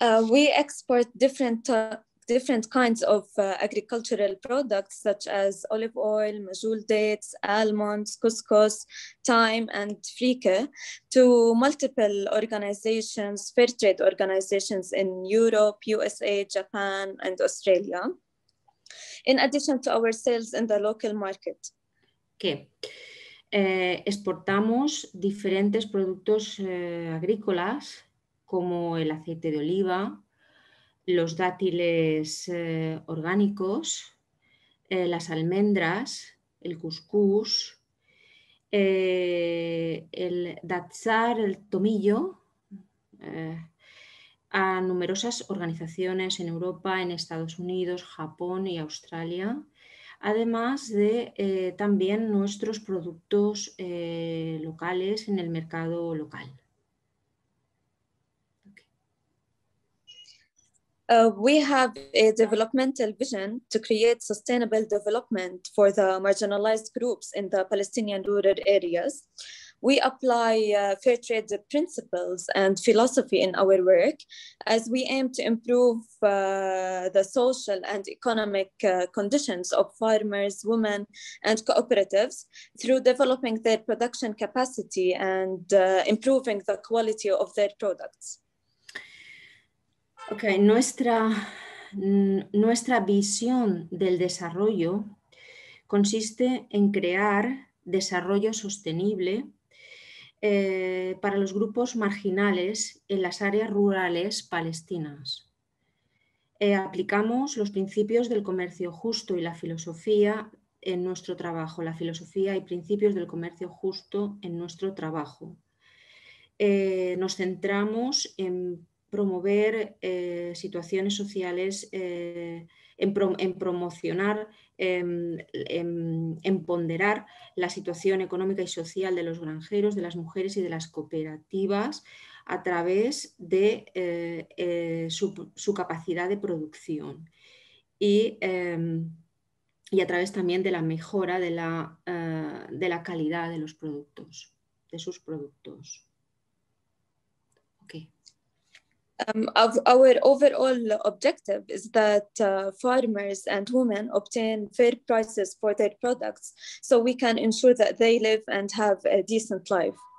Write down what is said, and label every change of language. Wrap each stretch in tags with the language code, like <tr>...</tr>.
<en>We export different kinds of agricultural products such as olive oil, medjool dates, almonds, couscous, thyme, and fricke to multiple organizations, fair trade organizations in Europe, USA, Japan, and Australia, in addition to our sales in the local market. Okay.</en> <es>Exportamos diferentes productos agrícolas como el aceite de oliva, los dátiles orgánicos, las almendras, el cuscús, el datsar, el tomillo, a numerosas organizaciones en Europa, en Estados Unidos, Japón y Australia. Además de también nuestros productos locales en el mercado local. Okay.</es> <en>We have a developmental vision to create sustainable development for the marginalized groups in the Palestinian rural areas. we apply fair trade principles and philosophy in our work as we aim to improve the social and economic conditions of farmers, women, and cooperatives through developing their production capacity and improving the quality of their products.</en> <es>Okay, nuestra visión del desarrollo consiste en crear desarrollo sostenible para los grupos marginales en las áreas rurales palestinas. Aplicamos los principios del comercio justo y la filosofía en nuestro trabajo, la filosofía y principios del comercio justo en nuestro trabajo. Nos centramos en promover situaciones sociales, en ponderar la situación económica y social de los granjeros, de las mujeres y de las cooperativas a través de su capacidad de producción y a través también de la mejora de la calidad de los productos, de sus productos.</es> <en>Our overall objective is that farmers and women obtain fair prices for their products so we can ensure that they live and have a decent life.</en>